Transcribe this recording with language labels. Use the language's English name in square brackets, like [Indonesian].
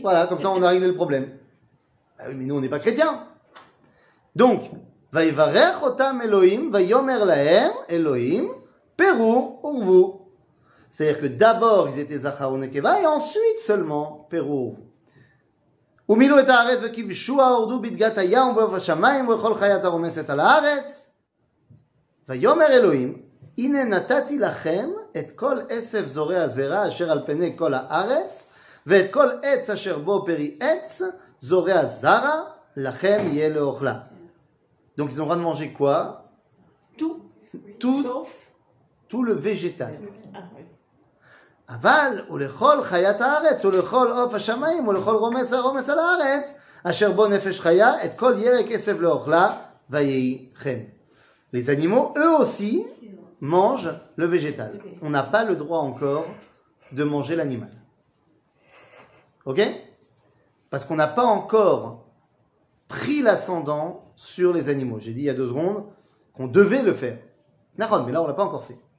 [French] Voilà, comme ça on a réglé le problème. Ah oui, mais nous on n'est pas chrétiens. Donc, [Hebrew] Vaivarech otam Elohim, Vayomer laem Elohim, Peru urvu. [French] C'est-à-dire que d'abord ils étaient Zachar ou Nekeva et ensuite seulement Peru urvu. [Hebrew] ומילו את הארץ וכיבשו ההורדו בדגת הים ובאף השמיים וכל חיית הרומסת על הארץ. ויאמר אלוהים, הנה נתתי לכם את כל עשב זורע זרע אשר על פני כל הארץ, ואת כל עץ אשר בו פרי עץ זורע זרע, לכם יהיה לאוכלה. [French] Donc ils ont rien de manger quoi? Tout le végétal. [Hebrew] אבל ולכל חיית הארץ ולכל עוף השמיים ולכל רומס הרומס על הארץ אשר בו נפש חיה את כל ירק עשב לאוכלה ויהי כן. [French] Les animaux eux aussi mangent le végétal. On n'a pas le droit encore de manger l'animal. OK? Parce qu'on n'a pas encore pris l'ascendant sur les animaux. J'ai dit il y a deux secondes qu'on devait le faire. Nahon, mais là on l'a pas encore fait.